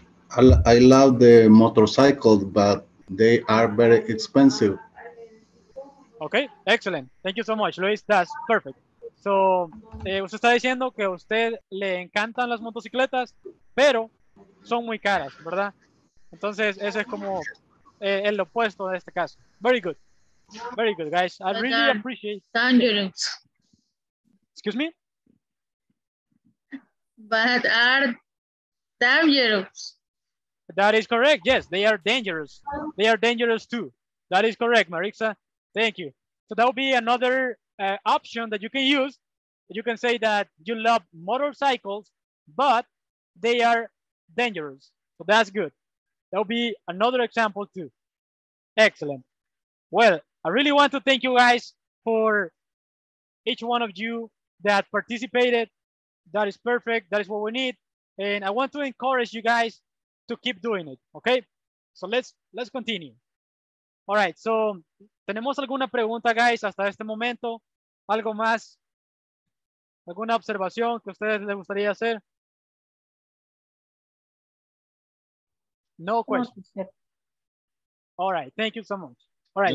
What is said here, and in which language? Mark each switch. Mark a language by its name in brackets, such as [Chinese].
[English] I love the motorcycles, but they are very expensive. Okay, excellent. Thank you so much, Luis. That's perfect. [Spanish] So, usted está diciendo que a usted le encantan las motocicletas, pero son muy caras, ¿verdad? Entonces, ese es como el opuesto de este caso. [English] Very good. Very good, guys. I really appreciate it. Dangerous. Excuse me? But are dangerous. That is correct. Yes, they are dangerous. They are dangerous too. That is correct, Maritza. Thank you. So that would be another option that you can use. You can say that you love motorcycles, but they are dangerous. So that's good. That would be another example too. Excellent. Well, I really want to thank you guys for each one of you that participated. That is perfect. That is what we need. And I want to encourage you guys to keep doing it, okay? So let's continue. All right, so [Spanish] tenemos alguna pregunta, guys, hasta este momento? Algo más ¿Alguna observación que a ustedes les gustaría hacer? [English] No questions. All right, thank you so much. All right,